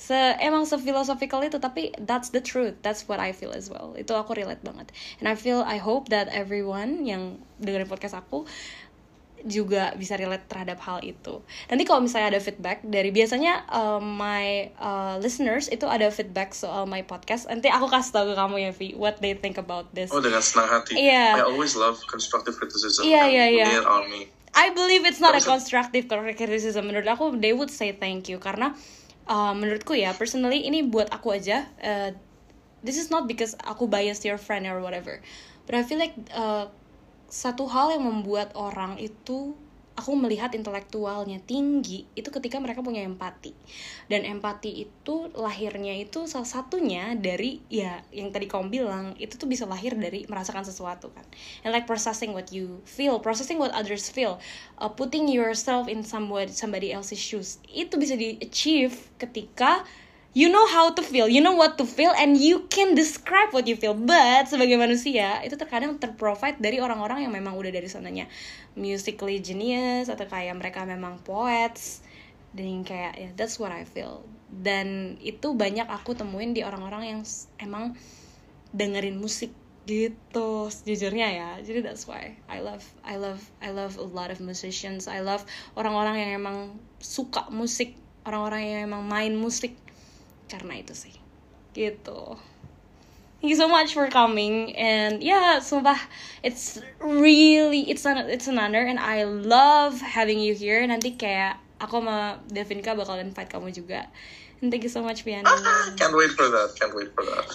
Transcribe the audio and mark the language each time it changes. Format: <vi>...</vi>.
<id>Emang se-philosophical itu,</id> <en>tapi that's the truth, that's what I feel as well.</en> <id>Itu aku relate banget,</id> <en>and I hope that everyone</en> <id>yang dengerin podcast aku juga bisa relate terhadap hal itu. Nanti kalau misalnya ada feedback dari, biasanya</id> <en>my listeners</en> <id>itu ada feedback soal</id> <en>my podcast,</en> <id>nanti aku kasih tau ke kamu ya Vi,</id> <en>what they think about this.</en> <id>Oh, dengan senang hati.</id> <en>Yeah. I always love constructive criticism. Yeah. On me. I believe it's not a constructive criticism.</en> <id>Menurut aku</id> <en>they would say thank you,</en> <id>karena menurutku ya personally, ini buat aku aja,</id> <en>this is not because</en> <id>aku bias</id> <en>your friend or whatever, but I feel like</en> <id>satu hal yang membuat orang itu, aku melihat intelektualnya tinggi, itu ketika mereka punya empati. Dan empati itu lahirnya itu salah satunya dari, ya yang tadi kamu bilang, itu tuh bisa lahir dari merasakan sesuatu kan.</id> <en>And like processing what you feel, processing what others feel, putting yourself in somebody else's shoes,</en> <id>itu bisa di achieve ketika</id> <en>you know how to feel, you know what to feel, and you can describe what you feel.</en> <id>But sebagai manusia, itu terkadang terprovide dari orang-orang yang memang udah dari sananya</id> <en>musically genius,</en> <id>atau kayak mereka memang poets, dan kayak,</id> <en>yeah, that's what I feel.</en> <id>Dan itu banyak aku temuin di orang-orang yang emang dengerin musik gitu, sejujurnya ya. Jadi</id> <en>that's why I love a lot of musicians. I love</en> <id>orang-orang yang emang suka musik, orang-orang yang emang main musik, karena itu sih. Gitu.</id> <en>Thank you so much for coming. And yeah,</en> <id>sumpah,</id> <en>it's really, it's an honor, and I love having you here.</en> <id>Nanti kayak aku sama Devinka bakal invite kamu juga.</id> <en>And thank you so much,</en> <id>Vianney.</id> <en>Can't wait for that, can't wait for that.</en>